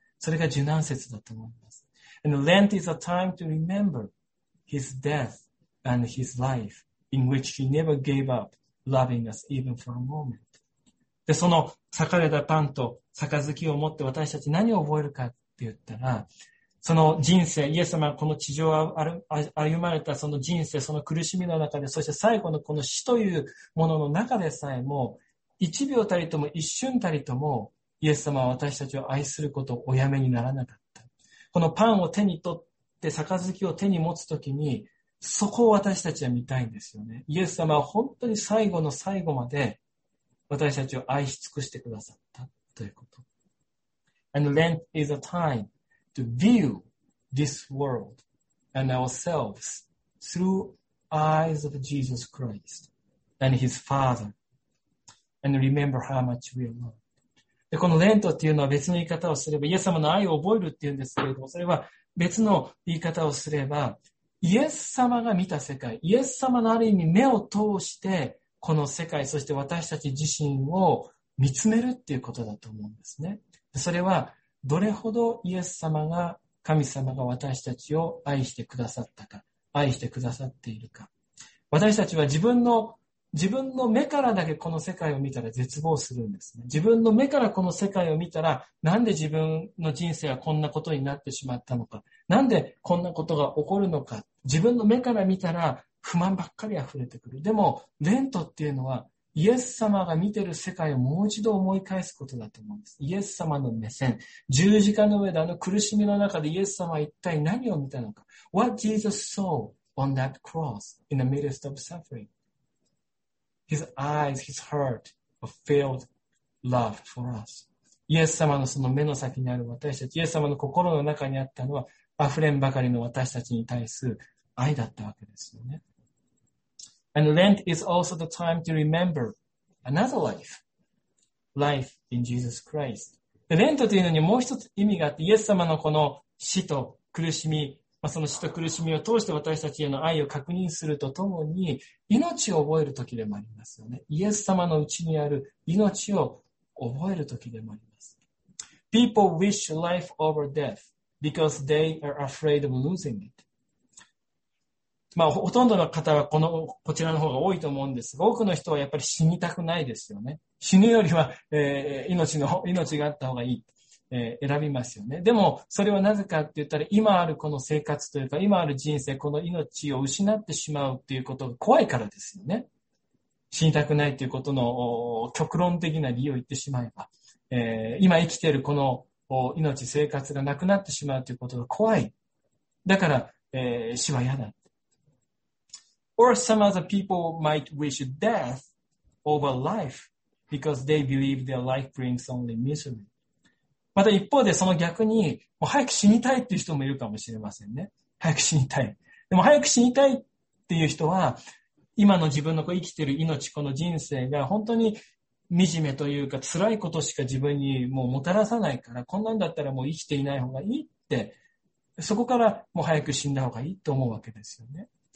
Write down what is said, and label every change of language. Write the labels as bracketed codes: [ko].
[ja] それが受難節だと思います。 [en] And Lent is a time to remember his death and his life in which he never gave up loving us even for a moment. [ja] で、その裂かれたパンと杯を持って私たち何を覚えるかって言ったら、その人生、イエス様はこの地上を歩まれたその人生、その苦しみの中で、そして最後のこの死というものの中でさえも、1秒たりとも一瞬たりとも、イエス様は私たちを愛することをおやめにならなかった。このパンを手に取って杯を手に持つときに、そこを私たちは見たいんですよね。イエス様は本当に最後の最後まで私たちを愛し尽くしてくださったということ。 [en] And Lent is a time to view this world and ourselves through eyes of Jesus Christ and His Father and remember how much we are loved. [ja] で、この Lent っていうのは別の言い方をすれば、イエス様の愛を覚えるっていうんですけれども、それは別の言い方をすれば、イエス様が見た世界、イエス様のある意味目を通して、この世界、そして私たち自身を見つめるっていうことだと思うんですね。それは、どれほどイエス様が、神様が私たちを愛してくださったか、愛してくださっているか。私たちは自分の目からだけこの世界を見たら絶望するんですね。自分の目からこの世界を見たら、なんで自分の人生はこんなことになってしまったのか、なんでこんなことが起こるのか、自分の目から見たら、不満ばっかり溢れてくる。でも、レントっていうのは、イエス様が見てる世界をもう一度思い返すことだと思うんです。イエス様の目線。十字架の上であの苦しみの中でイエス様は一体何を見たのか。 [en] What Jesus saw on that cross in the midst of suffering? His eyes, his heart of filled love for us. [ja] イエス様のその目の先にある私たち、イエス様の心の中にあったのは、溢れんばかりの私たちに対する愛だったわけですよね。 [en] And Lent is also the time to remember another life, life in Jesus Christ. [ja] Lent というのにもう一つ意味があって、イエス様のこの死と苦しみ、その死と苦しみを通して私たちへの愛を確認するとともに、命を覚える時でもありますよね。イエス様のうちにある命を覚える時でもあります。 [en] People wish life over death because they are afraid of losing it. [ja] まあ、ほとんどの方はこちらの方が多いと思うんですが、多くの人はやっぱり死にたくないですよね。死ぬよりは、命があった方がいい、選びますよね。でも、それはなぜかって言ったら、今あるこの生活というか、今ある人生、この命を失ってしまうということが怖いからですよね。死にたくないということの極論的な理由を言ってしまえば、今生きているこの命、生活がなくなってしまうということが怖い。だから、死は嫌だ。 [en] Or some other people might wish death over life because they believe their life brings only misery. [ja] また一方でその逆に、もう早く死にたいっていう人もいるかもしれませんね。早く死にたい。でも早く死にたいっていう人は、今の自分の生きている命、この人生が本当に惨めというか辛いことしか自分にもうもたらさないから、こんなんだったらもう生きていない方がいいって、そこからもう早く死んだ方がいいと思うわけですよね。